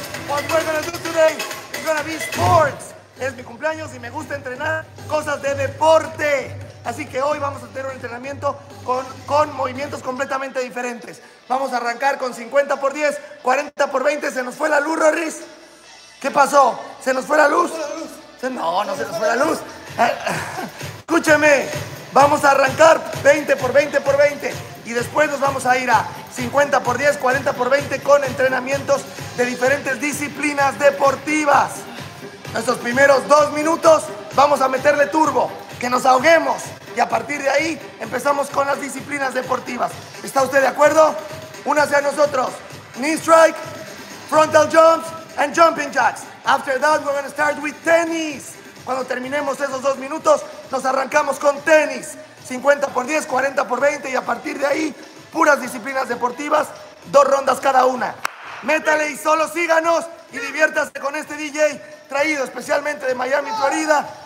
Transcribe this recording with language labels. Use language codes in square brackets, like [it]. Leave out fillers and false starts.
[en] What we're gonna do today is gonna be sports. [es] Es mi cumpleaños y me gusta entrenar cosas de deporte. Así que hoy vamos a tener un entrenamiento con movimientos completamente diferentes. Vamos a arrancar con 50 por 10, 40 por 20. ¿Se nos fue la luz, Rorris? ¿Qué pasó? ¿Se nos fue la luz? No, no se nos fue la luz. Escúcheme. Vamos a arrancar 20 por 20 por 20. Y después nos vamos a ir a 50 por 10, 40 por 20 con entrenamientos de diferentes disciplinas deportivas. Nuestros primeros 2 minutos vamos a meterle turbo. Que nos ahoguemos. Y a partir de ahí empezamos con las disciplinas deportivas. ¿Está usted de acuerdo? Únase a nosotros. [en] Knee strike, frontal jumps and jumping jacks. After that we're going to start with tennis. [es] Cuando terminemos esos 2 minutos nos arrancamos con tenis. 50 por 10, 40 por 20 y a partir de ahí puras disciplinas deportivas. 2 rondas cada una. Métale y solo síganos y diviértase con este DJ traído especialmente de Miami, Florida.